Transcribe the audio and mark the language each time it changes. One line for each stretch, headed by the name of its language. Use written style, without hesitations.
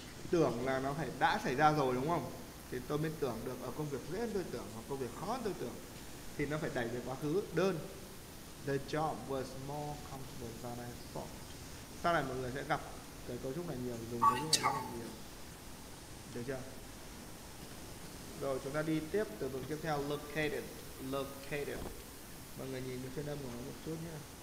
Vietnamese: Tưởng là nó phải đã xảy ra rồi đúng không? Thì tôi mới tưởng được ở công việc dễ tôi tưởng hoặc công việc khó tôi tưởng. Thì nó phải đẩy về quá khứ đơn.
English: The job was more comfortable than I thought.
Vietnamese: Sau này mọi người sẽ gặp cái cấu trúc này nhiều, dùng cấu trúc này nhiều. Được chưa? Rồi chúng ta đi tiếp từ vựng tiếp theo. Located. Located. Mọi người nhìn phiên âm của nó một chút nhé.